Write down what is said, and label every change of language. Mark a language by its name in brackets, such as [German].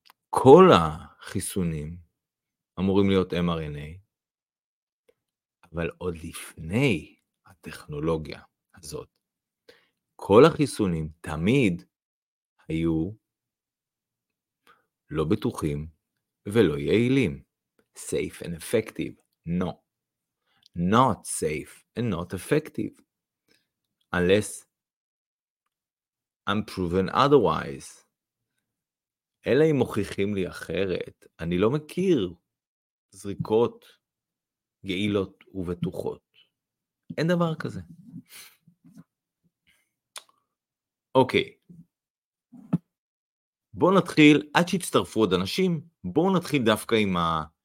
[Hebrew] כל החיסונים אמורים להיות mRNA, אבל עוד לפני הטכנולוגיה הזאת, כל החיסונים תמיד היו לא בטוחים ולא יעילים. [English] Safe and effective. No, not safe and not effective, unless I'm proven otherwise. [Hebrew] אלא אם מוכיחים לי אחרת, אני לא מכיר זריקות יעילות ובטוחות. אין דבר כזה. אוקיי, בואו נתחיל, עד שיצטרפו עוד אנשים, בואו נתחיל דווקא עם ה...